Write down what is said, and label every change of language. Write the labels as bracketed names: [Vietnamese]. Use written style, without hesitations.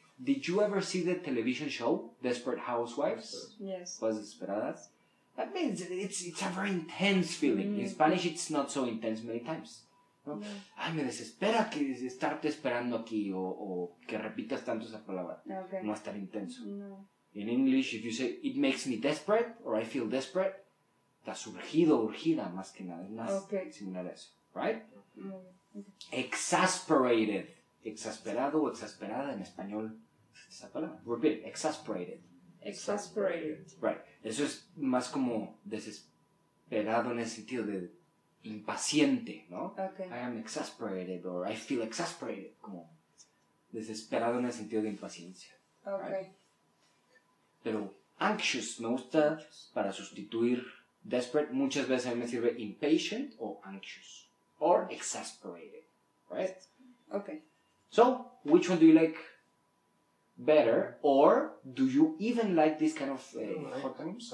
[English] Did you ever see the television show Desperate Housewives? Yes. [Spanish] ¿Puedes desesperadas? [English] That means it's a very intense feeling. Mm. In Spanish, it's not so intense many times. No? Yeah. [Spanish] Ay, me desespera que estarte esperando aquí o que repitas tanto esa palabra. [English] Okay. [Spanish] No es tan intenso. No. [English] In English, if you say, it makes me desperate, or I feel desperate, [Spanish] estás urgido, urgida, más que nada. Es más [English] okay. [Spanish] similar a eso. Right? [English] Okay. [Spanish] Exasperated. Exasperado o exasperada en español. Esa palabra. [English] Repeat, exasperated. Exasperated. Right. [Spanish] Eso es más como desesperado en el sentido de impaciente, ¿no? [English] Okay. I am exasperated or I feel exasperated. [Spanish] Como desesperado en el sentido de impaciencia. [English] Okay. [Spanish] Right? Pero anxious me gusta para sustituir desperate. Muchas veces a mí me sirve impatient o anxious. [English] Or exasperated. Right? Okay. So, which one do you like better, or do you even like this kind of hot rooms?